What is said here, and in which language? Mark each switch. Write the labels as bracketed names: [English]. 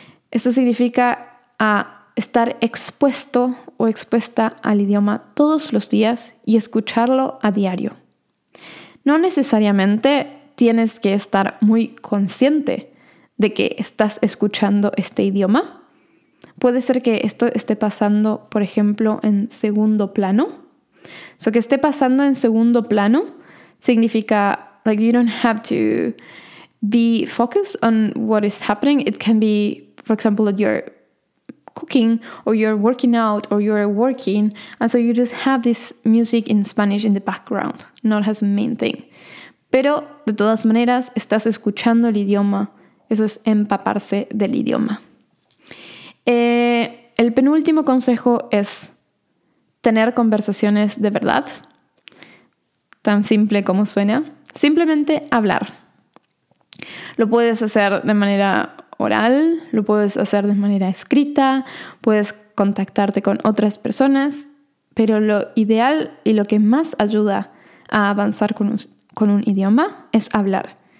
[Spanish] Esto significa estar expuesto o expuesta al idioma todos los días y escucharlo a diario. No necesariamente tienes que estar muy consciente de que estás escuchando este idioma. Puede ser que esto esté pasando, por ejemplo, en segundo plano. [English] So, [Spanish] que esté pasando en segundo plano significa, [English] like, you don't have to be focused on what is happening. It can be, for example, that you're cooking or you're working out or you're working, and so you just have this music in Spanish in the background, not as main thing. [Spanish] Pero de todas maneras estás escuchando el idioma. Eso es empaparse del idioma. El penúltimo consejo es tener conversaciones de verdad. Tan simple como suena. Simplemente hablar. Lo puedes hacer de manera oral, lo puedes hacer de manera escrita, puedes contactarte con otras personas, pero lo ideal y lo que más ayuda a avanzar con un idioma es hablar.